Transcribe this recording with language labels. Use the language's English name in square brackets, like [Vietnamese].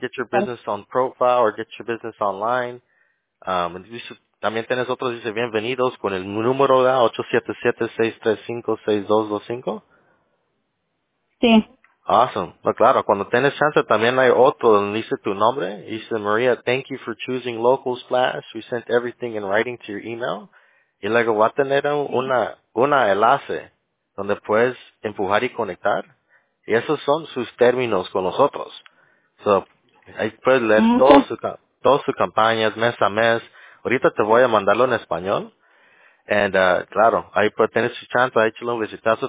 [English] Get your business on profile or get your business online. [Spanish] También tienes otros, dice, bienvenidos con el número, ¿verdad? 877-635-6225. Sí. [English] Awesome. [Spanish] Pues claro, cuando tienes chance, también hay otro donde dice tu nombre. Dice, [English] María, thank you for choosing Local Splash. We sent everything in writing to your email. [Spanish] Y luego va a tener una enlace donde puedes empujar y conectar. Y esos son sus términos con nosotros. [English] So, [Spanish] ahí puedes leer todas sus campañas mes a mes. Ahorita te voy a mandarlo en español. And, claro, ahí pues tienes su chance, ahí échale un visitazo.